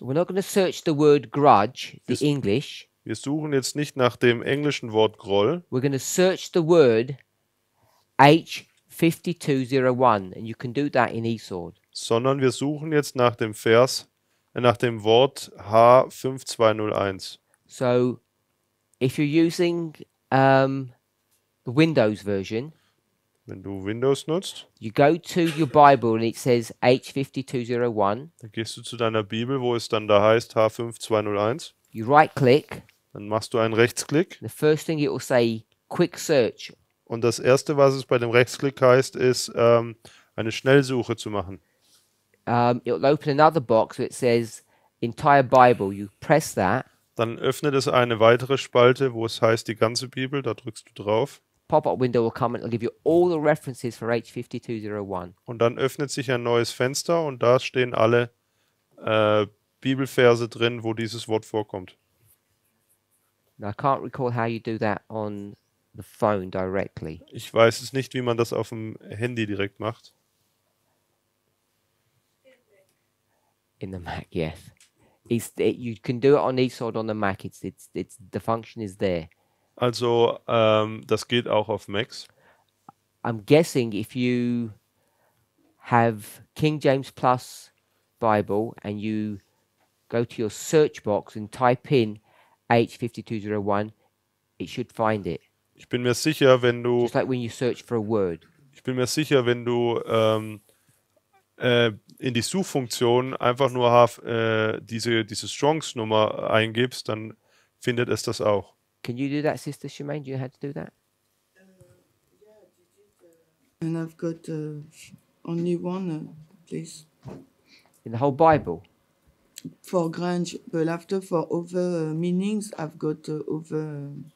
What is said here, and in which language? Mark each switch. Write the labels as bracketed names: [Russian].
[English] We're not going to search the word grudge, the English. [German] Wir suchen jetzt nicht nach dem englischen Wort Groll. [English] We're going to search the word H5201, and you can do that in Esord. [German] Sondern wir suchen jetzt nach dem Vers, nach dem Wort H5201. [English] So, if you're using the Windows version, [German] wenn du Windows nutzt, [English] you go to your Bible and it says H5201. [German] Dann gehst du zu deiner Bibel, wo es dann da heißt H5201. [English] You right click. [German] Dann machst du einen Rechtsklick. [English] The first thing it will say, quick search. [German] Und das erste, was es bei dem Rechtsklick heißt, ist eine Schnellsuche zu machen. [English] It'll open another box where it says entire Bible. You press that. [German] Dann öffnet es eine weitere Spalte, wo es heißt die ganze Bibel. Da drückst du drauf. [English] Pop-up window will come and it'll give you all the references for H5201. [German] Und dann öffnet sich ein neues Fenster und da stehen alle Bibelverse drin, wo dieses Wort vorkommt. [English] Now, I can't recall how you do that on the phone directly. [German] Ich weiß es nicht, wie man das auf dem Handy direkt macht. [English] In the Mac, yes. You can do it on Esord on the Mac. It's the function is there. [German] Also, das geht auch auf Macs. [English] I'm guessing if you have King James Plus Bible and you go to your search box and type in H5201, it should find it. [German] Ich bin mir sicher, wenn du... [English] Just like when you search for a word. [German] Ich bin mir sicher, wenn du... in die Suchfunktion einfach nur diese Strongs-Nummer eingibst, dann findet es das auch. [English] Can you do that, Sister Shemaine? Do you know how to do that? And I've got only one place. In the whole Bible? For Grange, but after for other meanings, I've got other...